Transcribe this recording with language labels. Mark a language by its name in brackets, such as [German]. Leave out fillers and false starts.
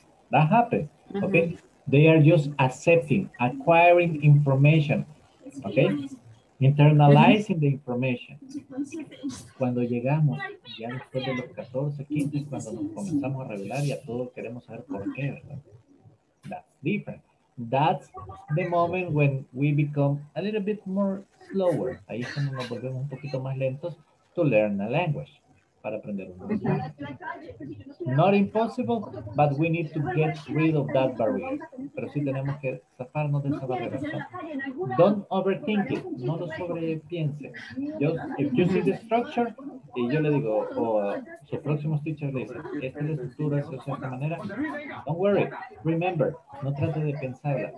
[English] That happens, ¿ok? They are just accepting, acquiring information. [Spanish] Okay, [English] internalizing the information. [Spanish] Cuando llegamos, ya después de los 14, 15, cuando nos comenzamos a revelar y a todos queremos saber por qué, ¿verdad? [English] That's different. That's the moment when we become a little bit more slower. [Spanish] Ahí es cuando nos volvemos un poquito más lentos [English] to learn a language, [Spanish] para aprender un idioma. [English] Not impossible, but we need to get rid of that barrier. [Spanish] Pero sí tenemos que zafarnos de esa barrera. [English] So, don't overthink it. [Spanish] No lo sobrepiense. [English] If you see the structure, [Spanish] y yo le digo, su próximo teacher le dice, esta es la estructura, es de cierta manera, [English] don't worry, remember, [Spanish] no trate de pensarla.